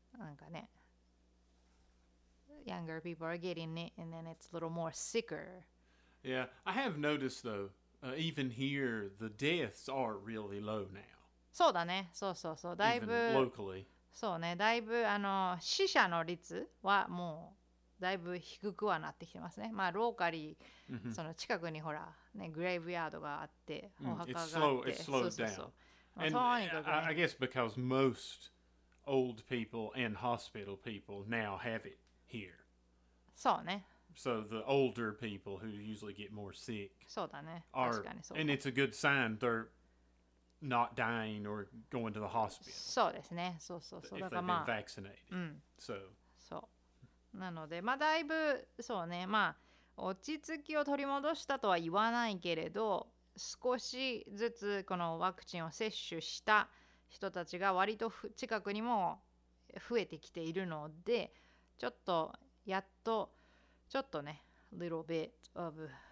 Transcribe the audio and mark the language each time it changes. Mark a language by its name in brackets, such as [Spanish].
[Japanese] なんかね、 [English] younger people are getting it and then it's a little more sicker. Yeah, I have noticed though,、even here, the deaths are really low now. [Japanese] そうだね、そうそうそう、だいぶ、 [English] even locally. [Japanese] そうね、だいぶ死者の率はもうだいぶ低くはなってきてますね。まあ、ローカリー、mm-hmm. その近くにほら、ね、グレイブヤードがあって、お墓があって、mm-hmm. [English] it's slow, it's slowed down. [Japanese] そうそうそう。 [English] And、 [Japanese] まあ、とにかくね、 [English] I guess because mostold people and hospital people now have it here. [Japanese] そうね。 [English] So the older people who usually get more sick [Japanese] そうだね。 are, 確かにそう。 [English] And it's a good sign they're not dying or going to the hospital. [Japanese] そうですね。そうそうそう。 [English] If they've been vaccinated. [Japanese] うん。 [English] So. [Japanese] そう。なので、まあだいぶ、そうね。まあ、落ち着きを取り戻したとは言わないけれど、少しずつこのワクチンを接種した人たちが割と近くにも増えてきているのでちょっとやっとちょっとね [English] little bit of、